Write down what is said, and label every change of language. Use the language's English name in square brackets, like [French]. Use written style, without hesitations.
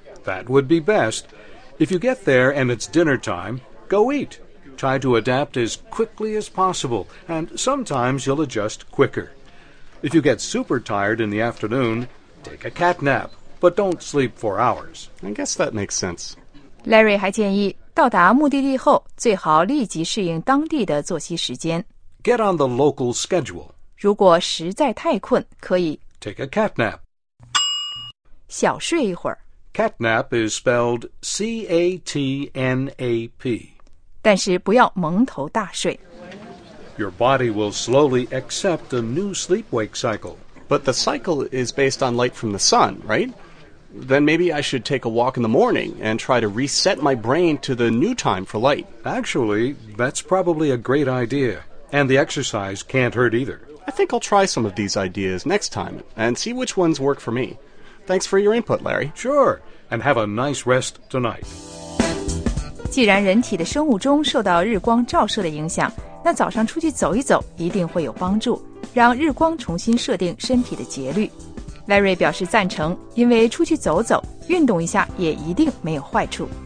[English] That would be best. If you get there and it's dinner time, go eat. Try to adapt as quickly as possible, and sometimes you'll adjust quicker. If you get super tired in the afternoon,Take a cat nap, but don't sleep for hours. I guess that makes sense. [Chinese] Larry 还建议，到达目的地后，最好立即适应当地的作息时间。 [English] Get on the local schedule. [Chinese] 如果实在太困，可以 [English] Take a cat nap. [Chinese] 小睡一会儿。 [English] Cat nap is spelled C-A-T-N-A-P. [Chinese] 但是不要蒙头大睡。 [English] Your body will slowly accept a new sleep-wake cycle. But the cycle is based on light from the sun, right? Then maybe I should take a walk in the morning and try to reset my brain to the new time for light. Actually, that's probably a great idea. And the exercise can't hurt either. I think I'll try some of these ideas next time and see which ones work for me. Thanks for your input, Larry. Sure. And have a nice rest tonight. [Chinese] 既然人体的生物钟受到日光照射的影响，那早上出去走一走一定会有帮助。让日光重新设定身体的节律。 Larry 表示赞成，因为出去走走，运动一下也一定没有坏处。